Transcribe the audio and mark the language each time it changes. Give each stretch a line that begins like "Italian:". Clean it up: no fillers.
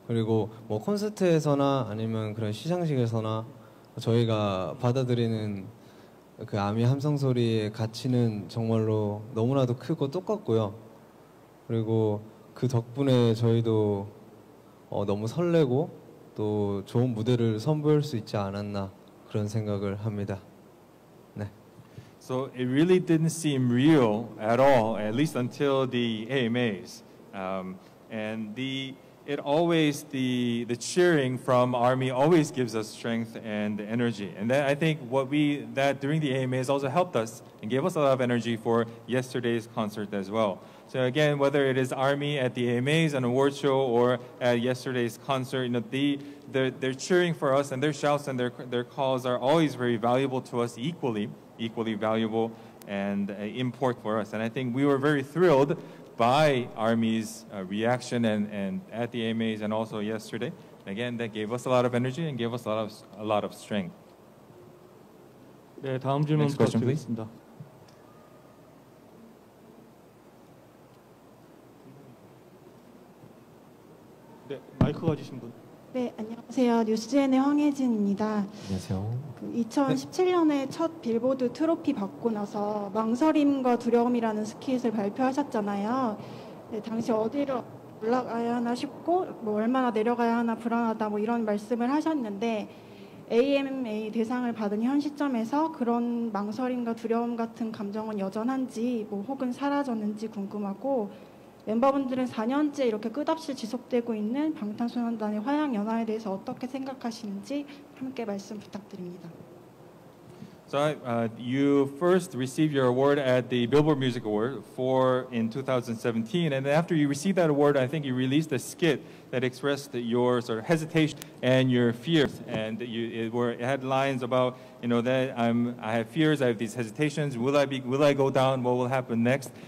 Korean: 그리고 뭐 콘서트에서나 아니면 그런 시상식에서나 저희가 받아들이는 그 아미 함성 소리의 가치는 정말로 너무나도 크고 똑같고요. 그리고 그 덕분에 저희도 너무 설레고 또 좋은 무대를 선보일 수 있지 않았나 그런 생각을 합니다.
English: So it really didn't seem real at all, at least until the AMAs. And the cheering from ARMY always gives us strength and energy. And that I think that during the AMAs also helped us and gave us a lot of energy for yesterday's concert as well. So again, whether it is ARMY at the AMAs on award show or at yesterday's concert, you know, they're cheering for us and their shouts and their calls are always very valuable to us equally valuable and important for us. And I think we were very thrilled by ARMY's reaction and at the AMAs and also yesterday. Again, that gave us a lot of energy and gave us a lot of strength.
Korean: 네, 다음 질문 부탁드리겠습니다. 네, 마이크 가지신 분. 네, 안녕하세요. 뉴스지엔의 황혜진입니다. 안녕하세요. 2017년에 첫 빌보드 트로피 받고 나서 망설임과 두려움이라는 스킷을 발표하셨잖아요. 네, 당시 어디로 올라가야 하나 싶고 뭐 얼마나 내려가야 하나 불안하다 뭐 이런 말씀을 하셨는데 AMA 대상을 받은 현 시점에서 그런 망설임과 두려움 같은 감정은 여전한지 뭐 혹은 사라졌는지 궁금하고 멤버분들은 4년째 이렇게 끝없이 지속되고 있는 방탄소년단의 화양 연화에 대해서 어떻게 생각하시는지 함께 말씀 부탁드립니다.
English: So you first received your award at the Billboard Music Award in 2017, and after you received that award, I think you released a skit that expressed your sort of hesitation and your fears, and it had lines about, you know, that I have fears, I have these hesitations, will I go down, what will happen next?